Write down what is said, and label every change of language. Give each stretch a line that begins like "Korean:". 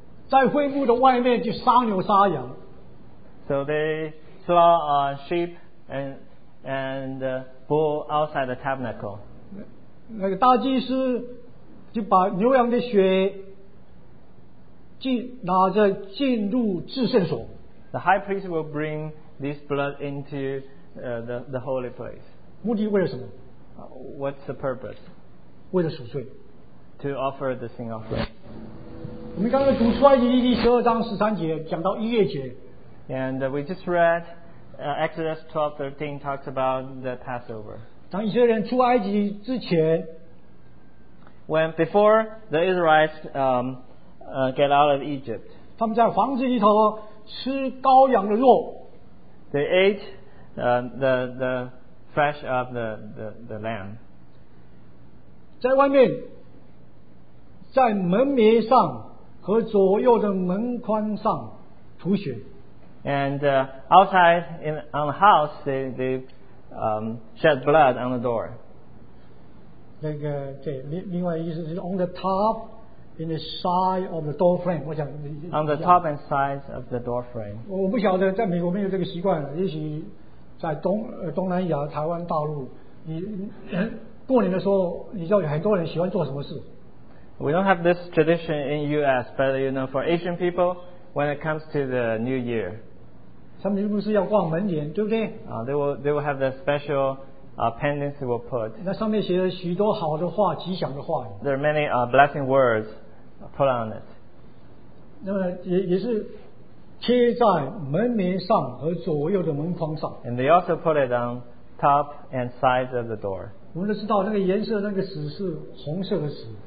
Chinese: 在会幕的外面就杀牛杀羊。
English: So they slaughter sheep and bull outside the tabernacle。
Chinese: 那个大祭司就把牛羊的血拿着进入至圣所。
English: The high priest will bring this blood into the holy place.
Chinese: 目的为了什么
English: ？What's the purpose？
Chinese: 为了赎罪。
English: To offer the sin offering.
Chinese: 我们刚刚读出埃及记第十二章十三节，讲到逾越节。
English: And we just read Exodus 12:13 talks about the Passover.
Chinese: 当以色列人出埃及之前
English: when before the Israelites get out of Egypt.
Chinese: 他们在房子里头吃羔羊的肉。
English: They ate the flesh of the lamb.
Chinese: 在外面，在门楣上和左右的门框上吐血。
English: And outside in on the house, they shed blood on the door.
Chinese: 那个对，另外意思是
English: on the top, in the side of the door frame.
Chinese: 我想
English: on the top and sides of the door frame.
Chinese: 我不晓得在美国没有这个习惯，也许在东南亚、台湾、大陆，你过年的时候，你知道很多人喜欢做什么事。
English: We don't have this tradition in U.S., but you know, for Asian people, when it comes to the New Year,
Chinese: 他们是不是要逛门帘，对不对？
English: They will have the special pendants they will put.
Chinese: 那上面写了许多好的话，吉祥的话。
English: There are many blessing words put on it.
Chinese: 那么也是贴在门帘上和左右的门框上。
English: And they also put it on top and sides of the door.
Chinese: 我们都知道那个颜色，那个纸是红色的纸。